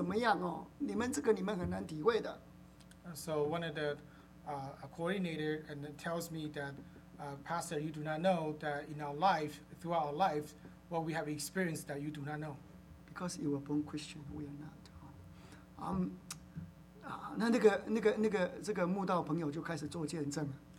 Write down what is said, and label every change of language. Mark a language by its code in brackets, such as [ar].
[zh] 我实在是不懂为什么。后来那个家务跟我讲说，传道你不知道，你们从小信耶稣都不知道，你们不晓得我们以前哦，中途过来的，我们以前哦，经历怎么样哦，你们这个你们很难体会的。 [en] So one of the coordinator and tells me that pastor, you do not know that in our life, throughout our life, what we have experienced that you do not know. Because you were born Christian, we are not. [zh] 那个这个慕道朋友就开始做见证了。